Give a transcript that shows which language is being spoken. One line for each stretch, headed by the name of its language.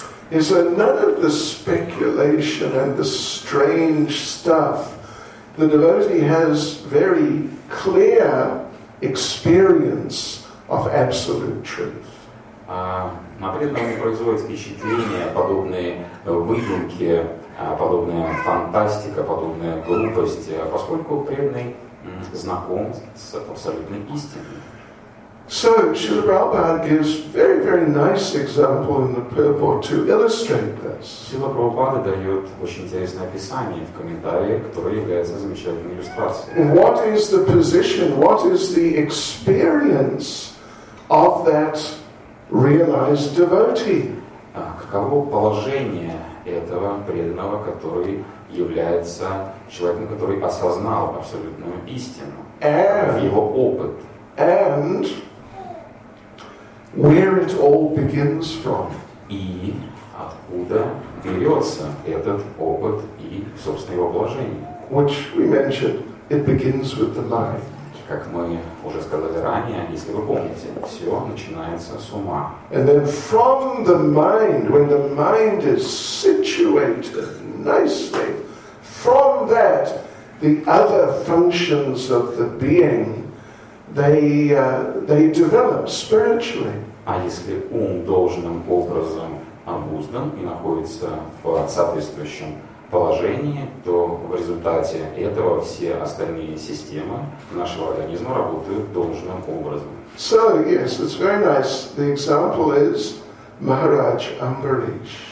English: Is that none of the speculation and the strange stuff the devotee has very clear experience of absolute truth.
Russian: На преданном не производит впечатление подобные выдумки, подобная фантастика, подобная глупость, поскольку преданный знаком с абсолютной истиной.
English: So Srila Prabhupada gives very, very nice example in the purport to illustrate this.
Russian: Srila Prabhupada дает очень интересное описание в комментарии, которое является замечательной иллюстрацией.
English: What is the position, what is the experience of that realized devotee?
Russian: Каково положение этого преданного, который является человеком, который осознал абсолютную истину,
English: and,
Russian: его опыт?
English: And where it all begins from.
Russian: И откуда берется этот опыт и, собственно, его положение.
English: Which we mentioned, it begins with the mind.
Russian: Как мы уже сказали ранее, если вы помните, все начинается с ума.
English: And then from the mind, when the mind is situated nicely, from that, the other functions of the being, they develop spiritually.
Russian: А если ум должным образом обуздан и находится в соответствующем положении, то в результате этого все остальные системы нашего организма работают должным образом.
English: So, yes, it's very nice. The example is Maharaj Ambarish.